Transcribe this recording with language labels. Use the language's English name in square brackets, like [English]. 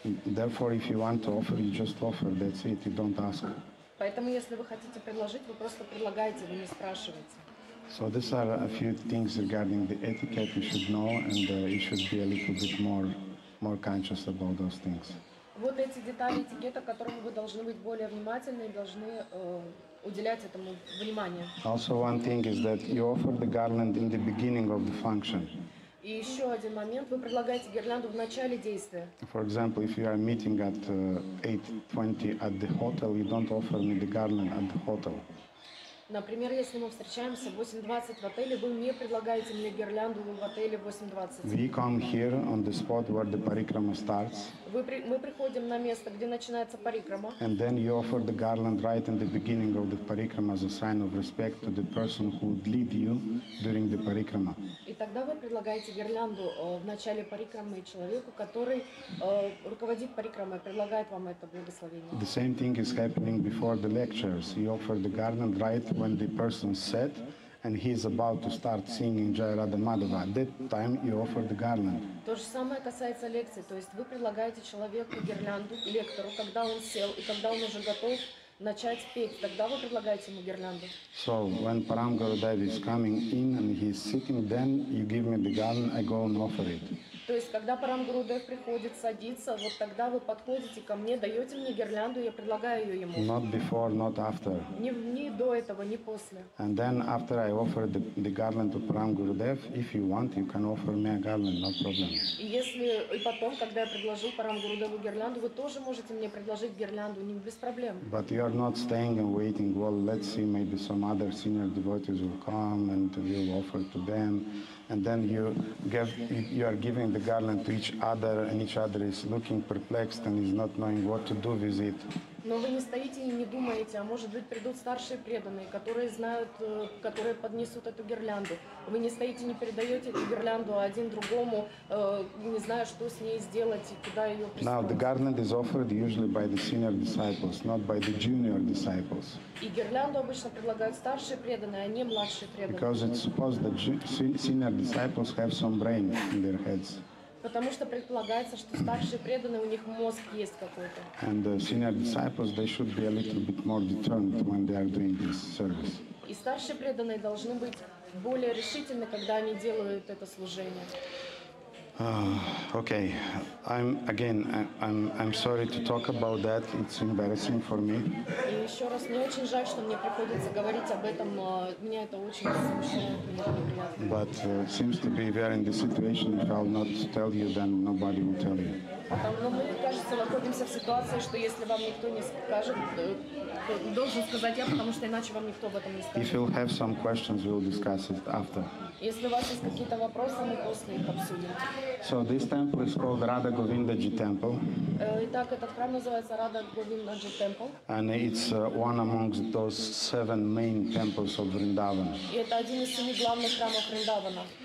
[English] Therefore, if you want to offer, you just offer, that's it, you don't ask. [Russian] Поэтому, если вы хотите предложить, вы просто предлагаете, вы не спрашиваете. [English] So these are a few things regarding the etiquette you should know, and you should be a little bit more conscious about those things. [Russian] Вот эти детали этикета, которым вы должны быть более внимательны и должны уделять этому внимание. [English] Also one thing is that you offer the garland in the beginning of the function. [Russian] И еще один момент, вы предлагаете гирлянду в начале действия. [English] For example, if you are meeting at 8:20 at the hotel, you don't offer me the garland at the hotel. [Russian] Например, если мы встречаемся в 8:20 в отеле, вы не предлагаете мне гирлянду в отеле в 8:20. [English] We come here on the spot where the parikrama starts. [Russian] Мы приходим на место, где начинается парикрама. [English] And then you offer the garland right in the beginning of the parikrama as a sign of respect to the person who would lead you during the parikrama. [Russian] И тогда вы предлагаете гирлянду в начале парикрамы человеку, который руководит парикрамой, предлагает вам это благословение. [English] The same thing is happening before the lectures. You offer the garland right when the person sat and he is about to start singing Jai Radha Madhava. At that time you offer the garland. [Russian] То же самое касается лекции, то есть вы предлагаете человеку гирлянду, лектору, когда он сел и когда он уже готов начать петь, тогда вы предлагаете ему гирлянду. [English] So when Param Gurudev is coming in and he is sitting, then you give me the garland, I go and offer it. [Russian] То есть когда Param Gurudev приходит садиться, вот тогда вы подходите ко мне, даете мне гирлянду, я предлагаю ее ему. [English] Not before, not after. [Russian] Не до этого, не после. [English] And then after I offer the garland to Param Gurudev, if you want, you can offer me a garland, no problem. [Russian] И потом, когда я предложу Param Gurudevу гирлянду, вы тоже можете мне предложить гирлянду, не без проблем. [English] But you are not staying and waiting. Well, let's see, maybe some other senior devotees will come and we'll offer to them. And then you are giving the garland to each other, and each other is looking perplexed and is not knowing what to do with it. [Russian] Но вы не стоите и не думаете, а может быть придут старшие преданные, которые знают, которые поднесут эту гирлянду. Вы не стоите и не передаете эту гирлянду один другому, не зная, что с ней сделать и куда ее пристроить. [English] Now the garland is offered usually by the senior disciples, not by the junior disciples. [Russian] И гирлянду обычно предлагают старшие преданные, а не младшие преданные. [English] Because it's supposed that senior disciples have some brain in their heads. [Russian] Потому что предполагается, что старшие преданные, у них мозг есть какой-то. [English] And senior disciples, they should be a little bit more determined when they are doing this service. [Russian] И старшие преданные должны быть более решительны, когда они делают это служение. [English] Okay, I'm sorry to talk about that. It's embarrassing for me. [Russian] И еще раз, мне очень жаль, что мне приходится говорить об этом. Меня это очень смущает. [English] But seems to be we are in this situation. If I'll not tell you, then nobody will tell you. [Russian] Но мы, кажется, находимся в ситуации, что если вам никто не скажет, должен сказать я, потому что иначе вам никто об этом не скажет. [English] If you'll have some questions, we'll discuss it after. [Russian] Если у вас есть какие-то вопросы, мы после их обсудим. [English] So this temple is called Radha Govindaji Temple. [Russian] Итак, этот храм называется Radha Govindaji Temple. [English] And it's one amongst those seven main temples of Vrindavan. [Russian] И это один из семи главных храмов Вриндавана.